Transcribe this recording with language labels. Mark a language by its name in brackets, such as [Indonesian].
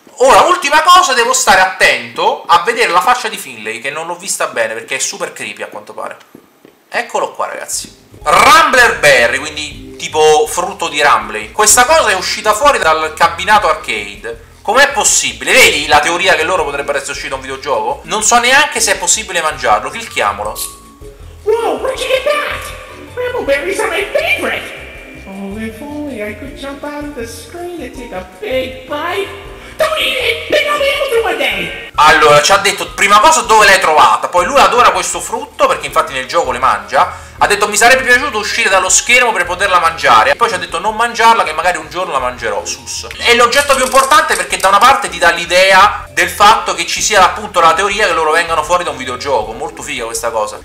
[Italian] Ora, ultima cosa, devo stare attento a vedere la faccia di Finlay, che non l'ho vista bene, perché è super creepy, a quanto pare. Eccolo qua, ragazzi. Rambler Berry, quindi tipo frutto di Rambley. Questa cosa è uscita fuori dal cabinato arcade. Com'è possibile? Vedi la teoria che loro potrebbero essere uscito un videogioco? Non so neanche se è possibile mangiarlo. Clicchiamolo. [English] Wow, where'd you get that? Rambleberries are my favorite! Oh, if only I could jump out of the screen and take a big bite. Don't eat it! Then I'll be able to one day! [Italian] Allora, ci ha detto prima cosa dove l'hai trovata. Poi lui adora questo frutto, perché infatti nel gioco le mangia. Ha detto mi sarebbe piaciuto uscire dallo schermo per poterla mangiare. Poi ci ha detto non mangiarla, che magari un giorno la mangerò, sus. È l'oggetto più importante perché da una parte ti dà l'idea del fatto che ci sia appunto la teoria che loro vengano fuori da un videogioco. Molto figa questa cosa.